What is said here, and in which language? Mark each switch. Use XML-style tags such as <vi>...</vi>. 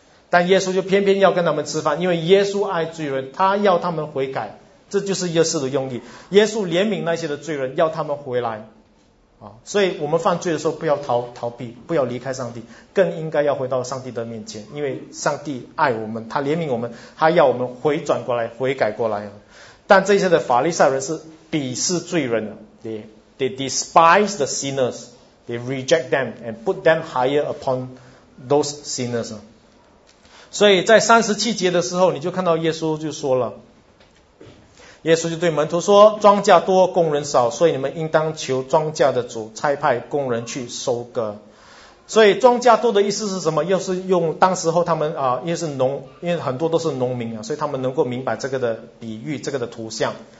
<zh>但耶稣就偏偏要跟他们吃饭，因为耶稣爱罪人，他要他们悔改，这就是耶稣的用意。耶稣怜悯那些的罪人，要他们回来。所以我们犯罪的时候不要逃避，不要离开上帝，更应该要回到上帝的面前，因为上帝爱我们，他怜悯我们，他要我们回转过来、悔改过来。但这些的法利赛人是鄙视罪人的，</zh> <en>they despise the sinners, they reject them and put them higher upon those sinners。</en> <zh>所以在37节的时候，你就看到耶稣就说了，耶稣就对门徒说，庄稼多，工人少，所以你们应当求庄稼的主差派工人去收割。所以庄稼多的意思是什么？又是用当时候他们因为很多都是农民啊，所以他们能够明白这个的比喻，这个的图像。</zh>